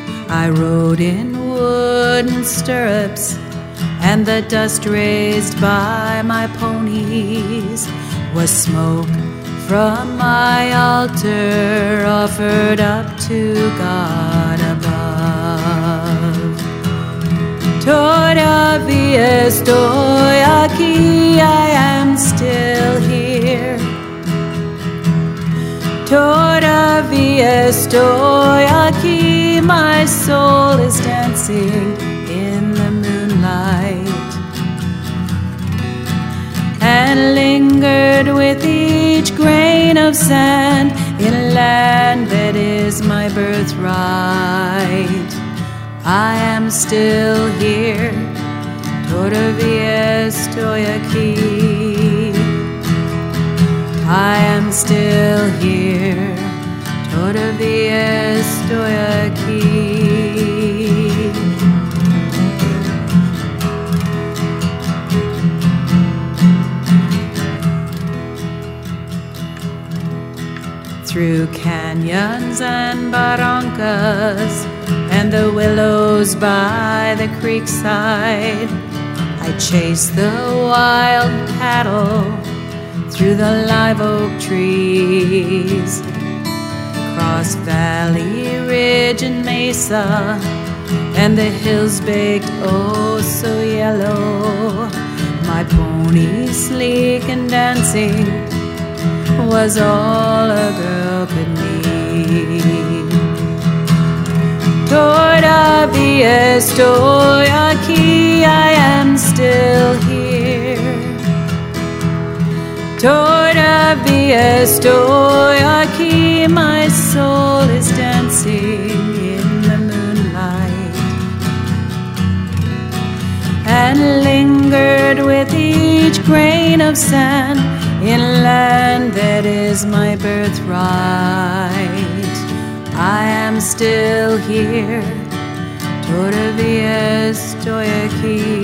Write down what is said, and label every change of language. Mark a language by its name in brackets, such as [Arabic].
[English] I rode in wooden stirrups and the dust raised by my ponies was smoke from my altar offered up to God above. [Spanish] Todavía estoy aquí, [English] I am still here. [Spanish] Todavía estoy aquí, [English] my soul is dancing in the moonlight. And lingered with each grain of sand in a land that is my birthright. I am still here, [Spanish] todavía estoy aquí. [English] I am still here, [Spanish] todavía estoy aquí. [English] Through canyons and barrancas and the willows by the creekside, I chase the wild cattle through the live oak trees. Cross valley, ridge and mesa and the hills baked oh so yellow. My pony sleek and dancing was all a girl could need. [Spanish] Todavía estoy aquí, [English] I am still here. [Spanish] Todavía estoy aquí, [English] my soul is dancing in the moonlight. And lingered with each grain of sand in a land that is my birthright. I am still here, [Spanish] todavía estoy aquí.